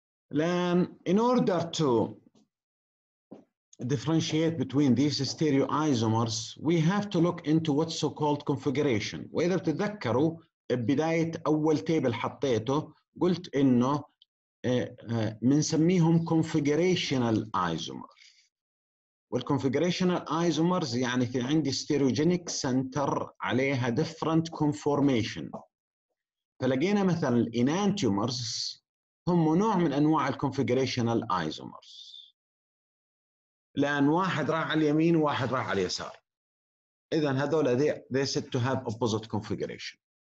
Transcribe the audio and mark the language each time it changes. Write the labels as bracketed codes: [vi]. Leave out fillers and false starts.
[en] Then, in order to differentiate between these stereoisomers, we have to look into what's so-called configuration. [ar] وإذا بتذكروا بداية أول تيبل حطيته قلت إنه منسميهم configurational isomers. والconfigurational isomers يعني في عندي stereogenic center عليها different conformation. فلقينا مثلا الenantiomers هم نوع من أنواع الconfigurational isomers. لأن واحد راح على اليمين وواحد راح على اليسار. إذن هذول they said to have opposite configuration.